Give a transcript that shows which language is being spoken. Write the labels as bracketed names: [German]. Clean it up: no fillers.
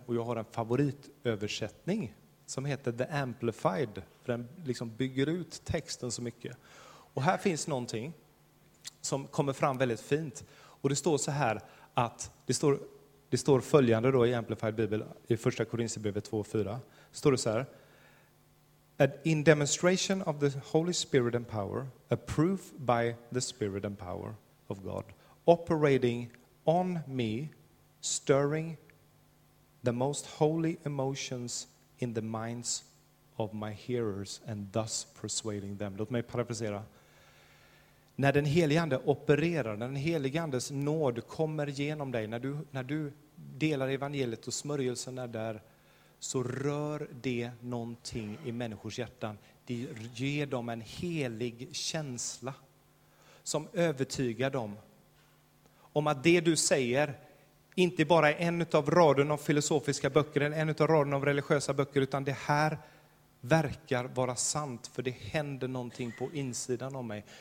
[Swedish] Och jag har en favoritöversättning som heter The Amplified. För den liksom bygger ut texten så mycket. Och här finns någonting som kommer fram väldigt fint. Och det står så här att, det står följande då i Amplified Bibel, i första Korintierbrevet 2:4. Står det så här: [English] in demonstration of the Holy Spirit and power, a proof by the Spirit and power of God, operating on me, stirring the most holy emotions in the minds of my hearers and thus persuading them. [Swedish] Låt mig parafrasera. När den helige ande opererar, när den helige andes nåd kommer genom dig, när du delar evangeliet och smörjelsen är där, så rör det någonting i människors hjärtan. Det ger dem en helig känsla som övertygar dem om att det du säger inte bara är en av raden av filosofiska böcker eller en av raden av religiösa böcker, utan det här verkar vara sant, för det händer någonting på insidan av mig.